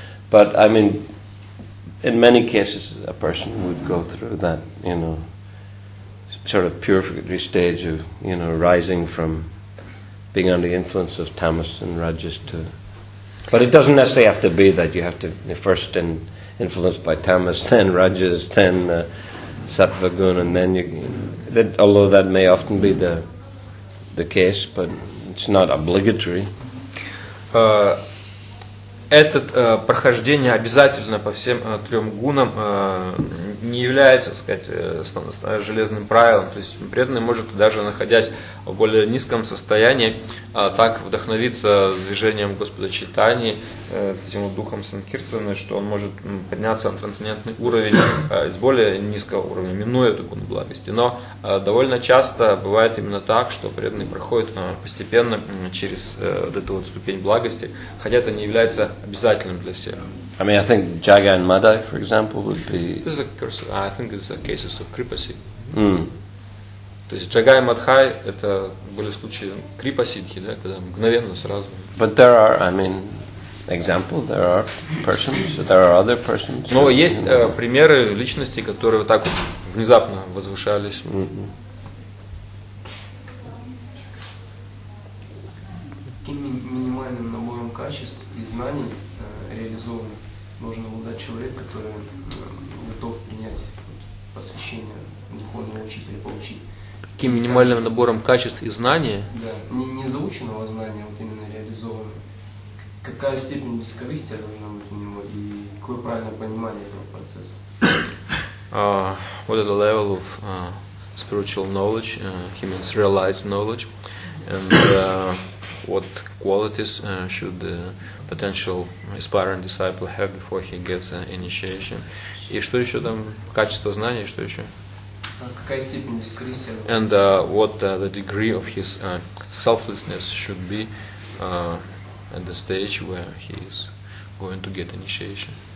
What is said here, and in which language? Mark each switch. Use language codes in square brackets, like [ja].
[en] But I mean, in many cases, a person would go through that, you know, sort of purificatory stage of, you know, rising from being under the influence of tamas and rajas to. But it doesn't necessarily have to be that you have to be first in influenced by tamas, then rajas, then sattvagun, and then you. That, although that may often be the case, but it's not obligatory. [ru] Этот прохождение обязательно по всем трем гунам не является, так сказать, железным правилом. То есть преданный может, даже находясь в более низком состоянии, так вдохновиться движением Господа Чайтани, этим вот духом Санкиртаны, что он может подняться на трансцендентный уровень из более низкого уровня, минуя эту гуну благости. Но довольно часто бывает именно так, что преданный проходит постепенно через вот эту вот ступень благости, хотя это не является обязательным для всех. [en] I mean, I think Jagan Madai, for example, would be. This is a curse. I think it's a case of kripasi. Mm. [ru] То есть Jagai Madhai — это были случаи крипасидхи, да, когда мгновенно сразу. [en] But there are, I mean, example, there are persons, there are other persons. [ru] Но есть примеры личностей, которые вот так вот внезапно возвышались. Mm-hmm. Минимальным набором качеств и знаний реализованных нужно обладать человек, который готов принять посвящение духовного учителя, получить. Каким минимальным набором качеств и знания? Да, не заученного знания, вот именно реализованного. Какая степень высоковыстия должна быть у него и какое правильное понимание этого процесса? [en] What is the level of spiritual knowledge? He means realized knowledge. And what qualities should the potential aspiring disciple have before he gets an initiation? [ru] И что еще там? Качество знаний, что еще? Какая степень бескорыстия? [en] And what the degree of his selflessness should be at the stage where he is going to get initiation?